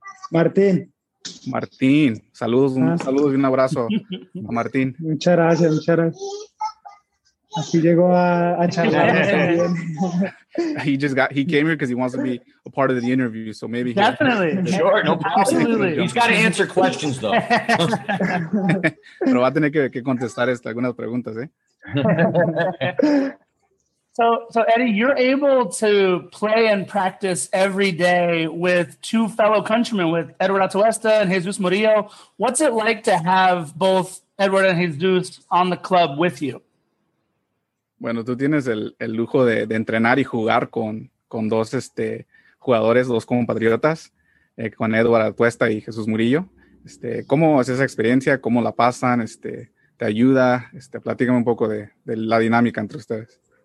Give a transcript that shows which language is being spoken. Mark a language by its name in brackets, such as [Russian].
[Spanish] Martín. Martín. Saludos, saludos y un abrazo a Martín. Muchas gracias, muchas gracias. Así llegó a charlar. [English] He came here because he wants to be a part of the interview, so maybe. Definitely. Sure, no problem. Absolutely. He's got to answer questions, though. [Spanish] Pero va a tener que contestar algunas preguntas, [English] So Eddie, you're able to play and practice every day with two fellow countrymen, with Edward Atuesta and Jesus Murillo. What's it like to have both Edward and Jesus on the club with you? [Spanish] Bueno, tú tienes el lujo de entrenar y jugar con dos jugadores, dos compatriotas, con Edward Atuesta y Jesús Murillo. ¿Cómo es esa experiencia? ¿Cómo la pasan? ¿Te ayuda? Platícame un poco de la dinámica entre ustedes.